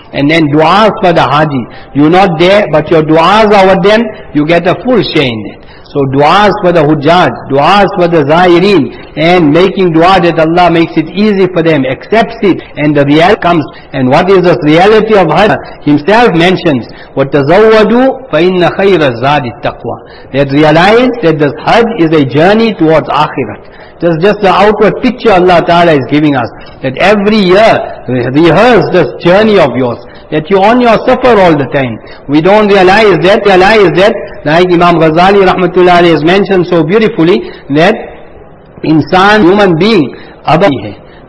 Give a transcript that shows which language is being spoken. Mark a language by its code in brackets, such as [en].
[en] And then du'as for the Haji. You're not there, but your du'as are with them, you get a full share in it. So du'as for the Hujjaj, du'as for the Zaireen, and making du'a that Allah makes it easy for them, accepts it, and the reality comes. And what is the reality of Hajj? Himself mentions, [ar] وَتَزَوَّدُوا فَإِنَّ خَيْرَ الزَّادِ التَّقْوَى. [en] That realize that this Hajj is a journey towards Akhirat. This is just the outward picture Allah Ta'ala is giving us. That every year, rehearse this journey of yours. That you're on your suffer all the time. We don't realize that, like Imam Ghazali rahmatullah has mentioned so beautifully, that insan, human being, [ur] abadi hai.